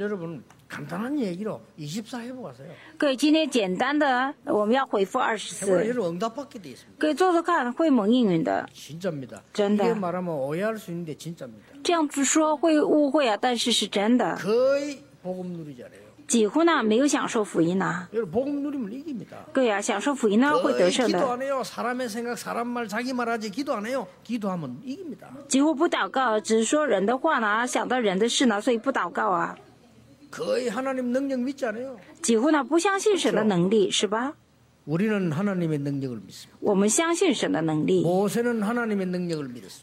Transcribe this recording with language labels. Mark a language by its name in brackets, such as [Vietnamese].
[Korean] 여러분 간단한 얘기로 24 해보세요. [Chinese] 各位今天简单的我们要回复24。 [Korean] 여러분 응답받게 돼 있습니다. [Chinese] 各位做做看会蒙应允的。 [Korean] 진짜입니다. [Chinese] 真的。 [Korean] 이게 말하면 오해할 수 있는데 진짜입니다. [Chinese] 这样子说会误会啊，但是是真的。 [Korean] 거의 복음 누리잖아요. [Chinese] 几乎呢没有享受福音呢。 [Korean] 여러분 복음 누리면 이깁니다. [Chinese] 各位啊享受福音呢会得胜的。 [Korean] 거의 기도 안 해요. 사람의 생각, 사람 말, 자기 말하지 기도 안 해요. 기도하면 이깁니다. [Chinese] 几乎不祷告，只说人的话呢，想到人的事呢，所以不祷告啊。 [Korean] 거의 하나님 능력 믿지 않아요? [Chinese] 几乎呢不相信神的能力，是吧？ [Korean] 우리는 하나님의 능력을 믿습니다. [Chinese] 我们相信神的能力. [Korean] 모세는 하나님의 능력을 믿었습니다.